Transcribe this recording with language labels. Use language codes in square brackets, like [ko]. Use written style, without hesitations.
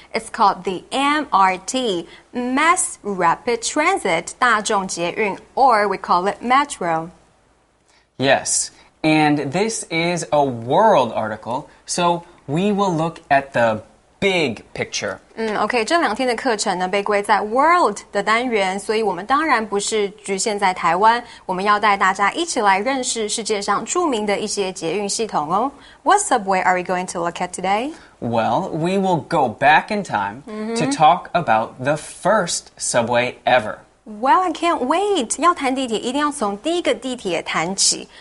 [en] It's called the MRT, Mass Rapid Transit, [zh] 大众捷运, [en] or we call it Metro. Yes, and this is a World article, so we will look at the big picture. [zh] Okay, 这两天的课程呢被归在 World 的单元，所以我们当然不是局限在台湾，我们要带大家一起来认识世界上著名的一些捷运系统哦。 [en] What subway are we going to look at today? Well, we will go back in time to talk about the first subway ever. Well, I can't wait. [zh] 要谈地铁，一定要从第一个地铁谈起。